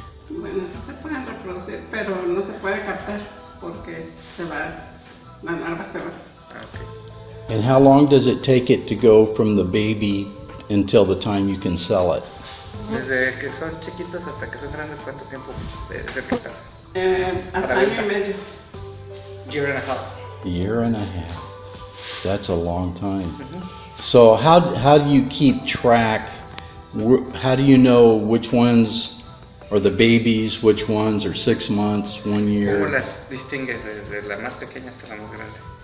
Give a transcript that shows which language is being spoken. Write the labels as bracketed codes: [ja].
[es] Bueno, no se pueden reproducir, pero no se puede captar, porque se va, la larva se va. [en] Okay. And how long does it take it to go from the baby until the time you can sell it? [es] Desde que son chiquitos hasta que son grandes, ¿cuánto tiempo es el que pasa? Hasta año y medio. [en] Year and a half. That's a long time. Mm-hmm. So how do you keep track? How do you know which ones are the babies, which ones are 6 months, 1 year? [es] ¿Cómo las distingues desde la más pequeña hasta la más grande?